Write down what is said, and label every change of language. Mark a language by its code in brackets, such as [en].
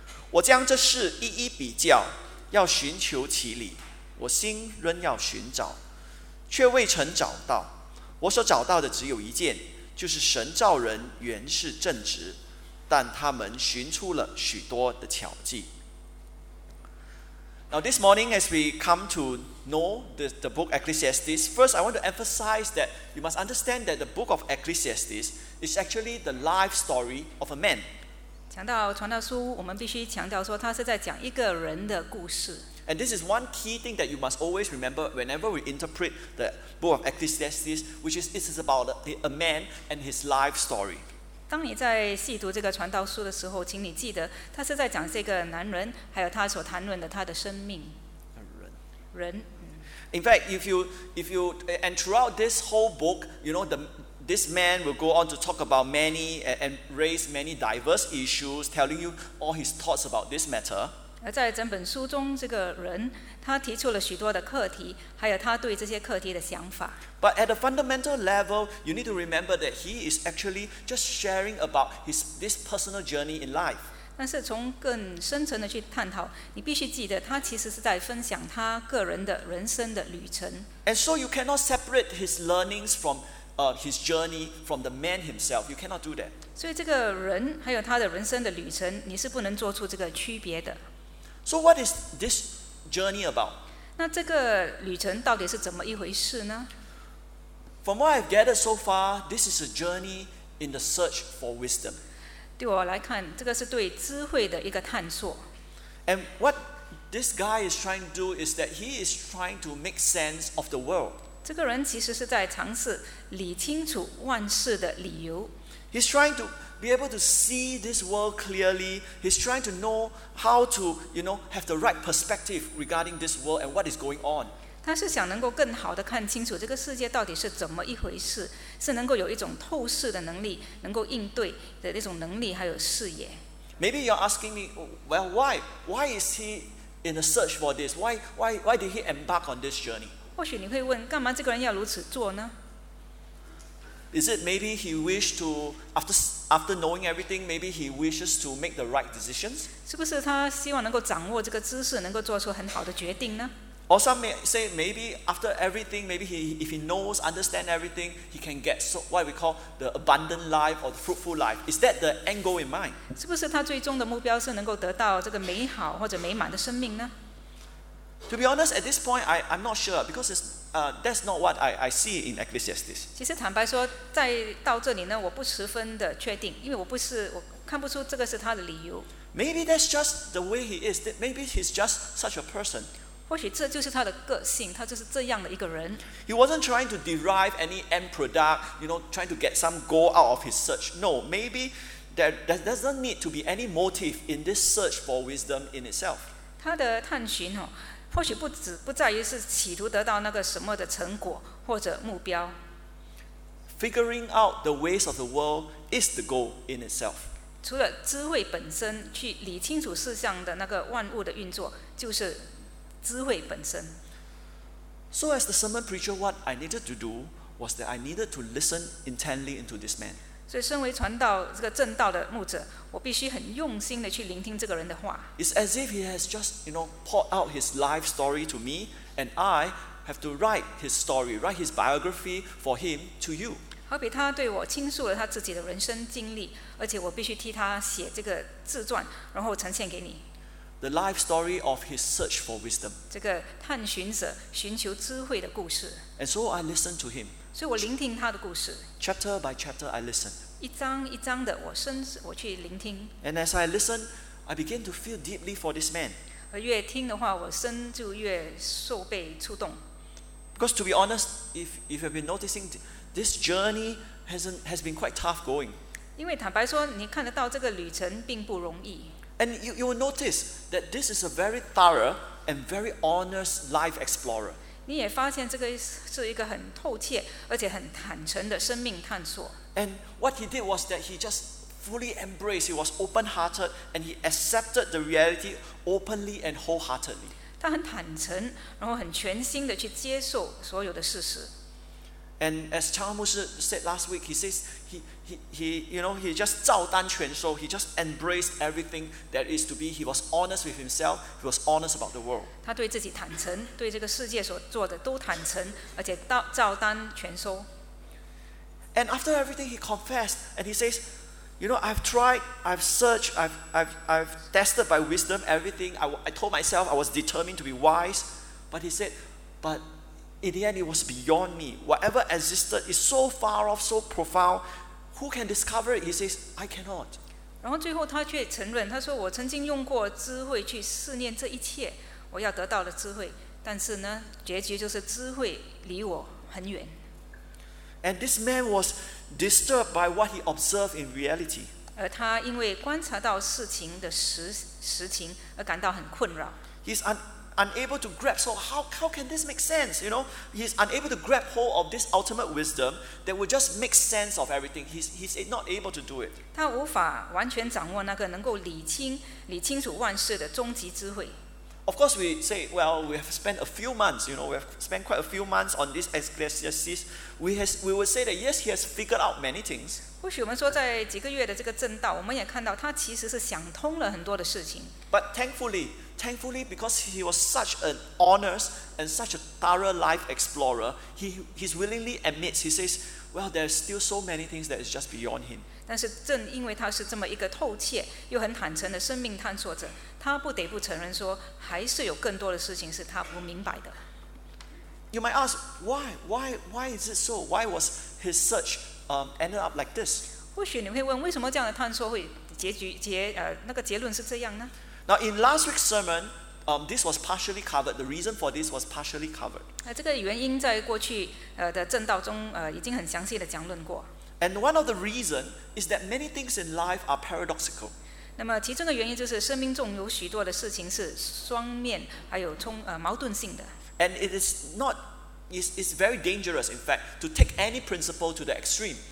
[zh] 我将这事一一比较，要寻求其理，我心仍要寻找，却未曾找到。我所找到的只有一件，就是神造人原是正直，但他们寻出了许多的巧计。 [en] Now this morning as we come to know the book Ecclesiastes, first I want to emphasize that you must understand that the book of Ecclesiastes is actually the life story of a man. [zh] 讲到传道书，我们必须强调说，它是在讲一个人的故事。 [en] And this is one key thing that you must always remember whenever we interpret the book of Ecclesiastes, which is this is about a man and his life story. [zh] 当你在细读这个传道书的时候，请你记得，它是在讲这个男人，还有他所谈论的他的生命。人。 [en] In fact, if you and throughout this whole book, you know This man will go on to talk about many and raise many diverse issues, telling you all his thoughts about this matter. [zh] 而在整本书中，这个人他提出了许多的课题，还有他对这些课题的想法。 [en] But at a fundamental level, you need to remember that he is actually just sharing about this personal journey in life. [zh] 但是从更深层的去探讨，你必须记得，他其实是在分享他个人的人生的旅程。 [en] And so you cannot separate his learnings from his journey from the man himself. You cannot do that. [zh] 所以这个人还有他的人生的旅程，你是不能做出这个区别的。 [en] So what is this journey about? [zh] 那这个旅程到底是怎么一回事呢？ [en] From what I've gathered so far, this is a journey in the search for wisdom. [zh] 对我来看，这个是对智慧的一个探索。 [en] And what this guy is trying to do is that he is trying to make sense of the world. [zh] 这个人其实是在尝试理清楚万事的理由。 [en] He's trying to be able to see this world clearly. He's trying to know how to, you know, have the right perspective regarding this world and what is going on. [zh] 他是想能够更好的看清楚这个世界到底是怎么一回事，是能够有一种透视的能力，能够应对的那种能力还有视野。 [en] Maybe you're asking me, well, why is he in a search for this? Why did he embark on this journey? [zh] 或许你会问，干嘛这个人要如此做呢？ [en] Is it maybe he wished to after knowing everything, maybe he wishes to make the right decisions? [zh] 是不是他希望能够掌握这个知识，能够做出很好的决定呢？ [en] Or some may say maybe after everything, maybe he if he knows, understand everything, he can get so what we call the abundant life or the fruitful life. Is that the end goal in mind? [zh] 是不是他最终的目标是能够得到这个美好或者美满的生命呢？ [en] To be honest, at this point, I'm not sure because that's not what I see in Ecclesiastes. [zh] 其实坦白说，在到这里呢，我不十分的确定，因为我看不出这个是他的理由。 [en] Maybe that's just the way he is. Maybe he's just such a person. [zh] 或许这就是他的个性，他就是这样的一个人。 [en] He wasn't trying to derive any end product, you know, trying to get some goal out of his search. No, maybe there doesn't need to be any motive in this search for wisdom in itself. [zh] 他的探寻哦。或许不在于是企图得到那个什么的成果或者目标。 [en] Figuring out the ways of the world is the goal in itself. [zh] 除了智慧本身，去理清楚事项的那个万物的运作，就是智慧本身。 [en] So as the sermon preacher, what I needed to do was that I needed to listen intently into this man. [zh] 所以身为传道这个正道的牧者，我必须很用心的去聆听这个人的话。 [en] It's as if he has just, you know, poured out his life story to me, and I have to write his story, write his biography for him to you. [zh] 好比他对我倾诉了他自己的人生经历，而且我必须替他写这个自传，然后呈现给你。 [en] The life story of his search for wisdom. [zh] 这个探寻者寻求智慧的故事。 [en] And so I listened to him. [zh] 所以我聆听他的故事。 [en] Chapter by chapter, I listened. [zh] 一章一章的，我去聆听。 [en] And as I listened, I began to feel deeply for this man. [zh] 而越听的话，我深就越受被触动。 [en] Because to be honest, if you've been noticing, this journey has been quite tough going. [zh] 因为坦白说，你看得到这个旅程并不容易。 [en] And you will notice that this is a very thorough and very honest life explorer. [zh] 你也发现这个是一个很透彻而且很坦诚的生命探索。 [en] And what he did was that he just fully embraced, he was open-hearted, and he accepted the reality openly and wholeheartedly. [zh] 他很坦诚，然后很全心的去接受所有的事实。 [en] And as Chang Mu said last week, he says he just [zh] 照单全收 [en] he just embraced everything that is to be. He was honest with himself. He was honest about the world. [zh] 他对自己坦诚，对这个世界所做的都坦诚，而且照单全收。 [en] And after everything, he confessed and he says, "You know, I've tried, I've searched, I've tested by wisdom everything. I told myself I was determined to be wise, but he said, but." In the end, it was beyond me. Whatever existed is so far off, so profound. Who can discover it? He says, I cannot. [zh] 然后最后他却承认，他说我曾经用过智慧去试验这一切，我要得到的智慧，但是呢，结局就是智慧离我很远。 [en] And this man was disturbed by what he observed in reality. [zh] 而他因为观察到事情的实情而感到很困扰。 [en] Unable to grab, so how can this make sense? You know, he's unable to grab hold of this ultimate wisdom that would just make sense of everything. He's not able to do it. [zh] 他无法完全掌握那个能够理清楚万事的终极智慧。 [en] Of course, we say, well, we have spent a few months. You know, we have spent quite a few months on this exegesis. We would say that yes, he has figured out many things. [zh] 或许我们说，在几个月的这个正道，我们也看到他其实是想通了很多的事情。 [en] But thankfully, because he was such an honest and such a thorough life explorer, he's willingly admits, he says, well, there's still so many things that is just beyond him. [zh] 但是正因为他是这么一个透彻又很坦诚的生命探索者，他不得不承认说，还是有更多的事情是他不明白的。 [en] You might ask, why is it so? Why was his search ended up like this? [zh] 或许你会问，为什么这样的探索会那个结论是这样呢？ [en] Now in last week's sermon, this was partially covered. The reason for this was partially covered. [zh] 这个原因在过去的正道中已经很详细的讲论过。 [en] And one of the reasons is that many things in life are paradoxical. [zh] 那么其中的原因就是生命中有许多的事情是双面还有矛盾性的。 [en] And it is not, it's very dangerous, in fact, to take any principle to the extreme.